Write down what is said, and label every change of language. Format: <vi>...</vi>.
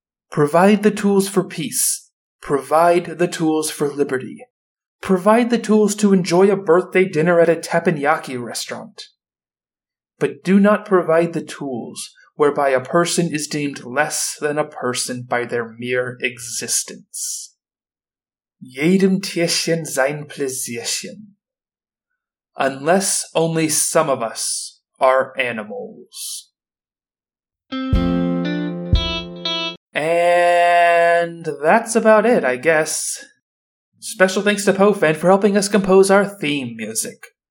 <en>Provide the tools for peace. Provide the tools for liberty. Provide the tools to enjoy a birthday dinner at a teppanyaki restaurant. But do not provide the tools whereby a person is deemed less than a person by their mere existence.</en> <de>Jedem Tierchen sein Pläsierchen.</de> <en>Unless only some of us are animals. And that's about it, I guess. Special thanks to PoFan for helping us compose our theme music.</en>